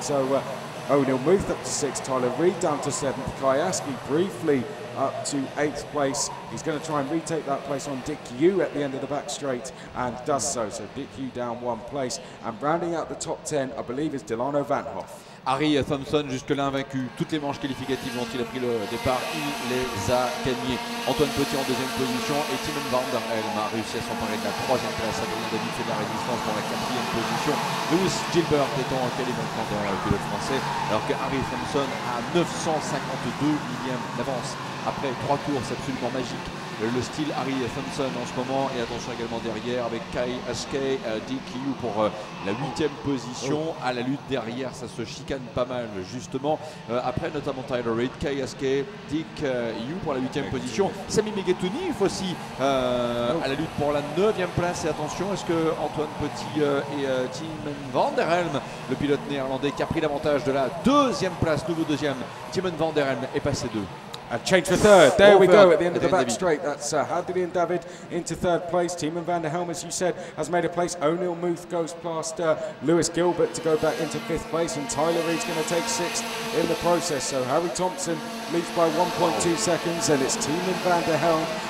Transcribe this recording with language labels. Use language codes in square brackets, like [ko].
[en] So O'Neill Muth up to sixth, Tyler Reed down to seventh, Kajaski briefly up to eighth place. He's going to try and retake that place on Dick Yu at the end of the back straight, and does so. So Dick Yu down one place, and rounding out the top 10, I believe, is Delano Vanhoef. [fr] Harry Thompson, jusque-là invaincu, toutes les manches qualificatives dont il a pris le départ, il les a gagnées. Antoine Petit en deuxième position et Tiemann van der Helm a réussi à s'emparer de la troisième place à l'heure de la de la résistance dans la quatrième position. Lewis Gilbert est en qualif maintenant dans le pilote français, alors que Harry Thompson a 952 millièmes d'avance après 3 tours, c'est absolument magique. Le style Harry Thompson en ce moment, et attention également derrière avec Kai Aske, Dick Yu pour la 8ème position. À la lutte derrière, ça se chicane pas mal justement. Après notamment Tyler Reed, Kai Aske, Dick Yu pour la 8ème position. Sami Megatuni aussi à la lutte pour la 9ème place. Et attention, est-ce que Antoine Petit et Tiemann van der Helm, le pilote néerlandais qui a pris l'avantage de la 2ème place, nouveau 2ème, Tiemann van der Helm est passé 2. [en] A change for third. There we go at the end of the back straight. That's Hadrian David into third place. Tiemann van der Helm, as you said, has made a place. O'Neill Muth goes past Lewis Gilbert to go back into fifth place. And Tyler Reed's going to take sixth in the process. So Harry Thompson leads by 1.2 seconds. And it's Tiemann van der Helm.